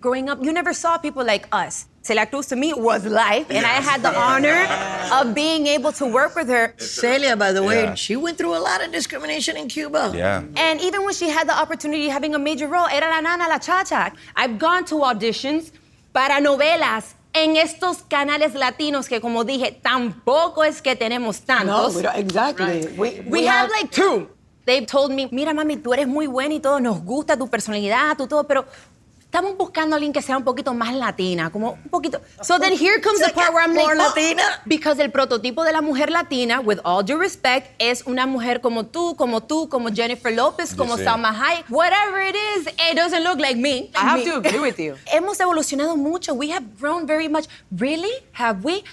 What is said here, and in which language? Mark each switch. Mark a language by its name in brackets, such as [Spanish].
[English] Growing up, you never saw people like us. Celia Cruz, to me, was life. And I had the honor of being able to work with her. Celia, by the way, she went through a lot of discrimination in Cuba. Yeah. And even when she had the opportunity having a major role, [Spanish] era la nana, la cha-cha. [English] I've gone to auditions [Spanish] para novelas. En estos canales latinos que, como dije, tampoco es que tenemos tantos. [English] No, exactly. Right. We have like two. [Spanish] They've told me, mira, mami, tú eres muy buena y todo, nos gusta tu personalidad, tu todo, pero estamos buscando a alguien que sea un poquito más latina, como un poquito. [English] So then here comes the part where I'm more like, latina. Because [Spanish] el prototipo de la mujer latina, [English] with all due respect, [Spanish] es una mujer como tú, como tú, como Jennifer Lopez, como Salma Hayek, [English] whatever it is, it doesn't look like me. I have to agree with you. [Spanish] Hemos evolucionado mucho. [English] We have grown very much. Really? Have we?